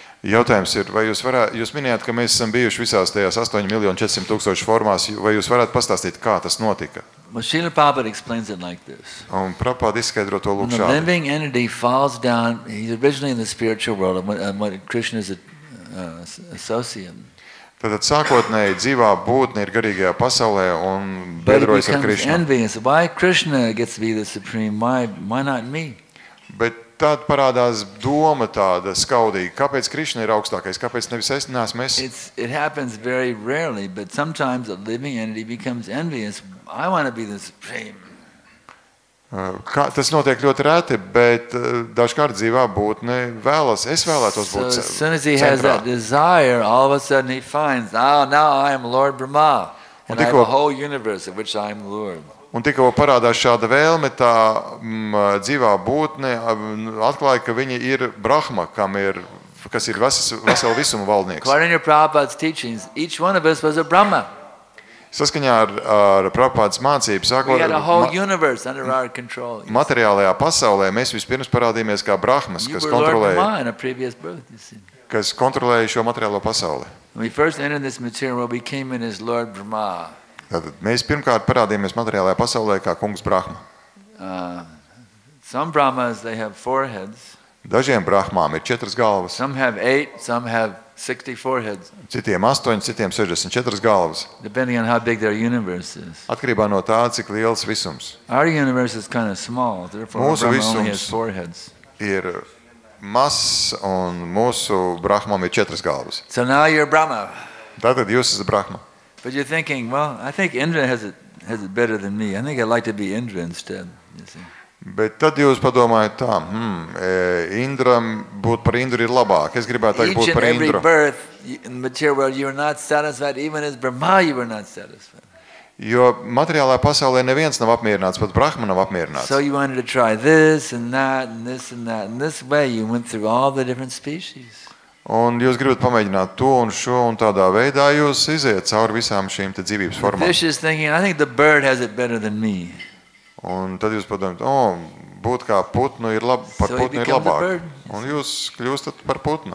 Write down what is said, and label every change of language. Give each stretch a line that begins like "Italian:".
Latvian: Jautājums ir, vai jūs minējāt, ka mēs esam bijuši visās tajās 8,400,000 formās, vai jūs varat pastāstīt, kā tas notika?
English: Srila Prabhupada explains it like this.
Latvian: Un Prabhupada izskaidro to lūk šādi.
English: When the living entity falls down, he's originally in the spiritual world, and what Krishna is associated.
Latvian: Tātad sākotnēji dzīvā būtne ir garīgajā pasaulē un biedrojas ar Krishnu.
English: Envious. Why Krishna gets to be the supreme? Why not me?
Latvian: Bet tad parādās doma tāda skaudīga. Kāpēc Krishna ir augstākais? Kāpēc nevis es, neesmu es?
English: It happens very rarely, but sometimes a living entity becomes envious. I want to be the supreme.
Latvian: Tas notiek ļoti reti, bet dažkārt dzīvā būtne vēlas. Es vēlētos būt centrā.
English: As soon as he has that desire, all of a sudden he finds, oh, now I am Lord Brahma, and I have a whole universe in which I am Lord.
Latvian: Un tikko parādās šāda vēlme, tā dzīvā būtne atklāja, ka viņa ir Brahma, kas ir vesela visuma valdnieks.
English: According to Prabhupada's teachings, each one of us was a Brahma.
Latvian: Saskaņā ar Prabhupādas mācību, sākot materiālajā pasaulē, mēs vispirms parādījāmies kā Brahmas, kas kontrolēja šo materiālo pasauli. Tātad mēs pirmkārt parādījāmies materiālajā pasaulē kā kungs Brahma.
English: Some Brahmas, they have four heads.
Latvian: Dažiem Brahmām ir četras galvas.
English: Some have eight, some have 64 heads.
Latvian: Citiem 8, citiem 64 galvas.
English: Depending on how big their universe is.
Latvian: Atkarībā no tā, cik liels visums.
English: Our universe is kind of small, therefore
Latvian: mūsu visums
English: only has four heads.
Latvian: Ir mazs un mūsu Brahmām ir četras galvas.
English: So now you're Brahma.
Latvian: Tātad jūs esat Brahma.
English: But you're thinking, well, I think Indra has it better than me. I think I'd like to be Indra instead, you see.
Latvian: Bet tad jūs padomājat tā, Indram būt par Indru ir labāk. Es gribētu tagad būt par Indru.
English: Each and every birth in the material world, you are not satisfied, even as Brahma you are not satisfied.
Latvian: Jo materiālā pasaulē neviens nav apmierināts, pat Brahma nav apmierināts.
English: So you wanted to try this and that and this and that. In this way you went through all the different species.
Latvian: Un jūs gribat pamēģināt to un šo, un tādā veidā jūs iziet cauri visām šīm te dzīvības formām.
English: The fish is thinking, I think the bird has it better than me.
Latvian: Un tad jūs padomājat, oh, būt kā putnu ir labi, par putnu ir labāk. Un jūs kļūstat par putnu.